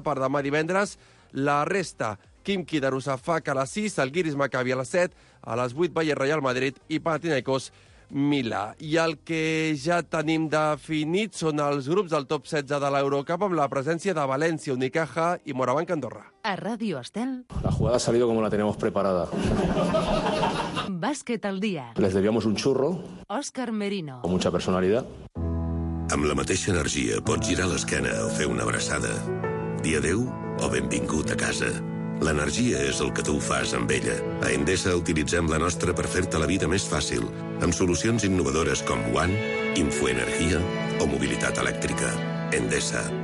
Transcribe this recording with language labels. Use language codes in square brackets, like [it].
[ca] Per demà divendres, la resta, Kimki, Darussafaka a les 6, Zalgiris, Maccabi a les 7, a les 8, Bayer, Real Madrid i Panathinaikos, Milà. I el que ja tenim definit són els grups del top 16 de l'Eurocup amb la presència de València, Unicaja i Morabanc Andorra. A Radio Estel. [es] La jugada ha salido como la teníamos preparada. [ca] Bàsquet al dia. [es] Les debíamos un churro. [ca] Òscar Merino. [es] Con mucha personalidad. [ca] Amb la mateixa energia pots girar l'esquena o fer una abraçada. Dia adéu o benvingut a casa. L'energia és el que tu fas amb ella. A Endesa utilitzem la nostra per fer-te la vida més fàcil, amb solucions innovadores com One, Infoenergia o Mobilitat Elèctrica. Endesa.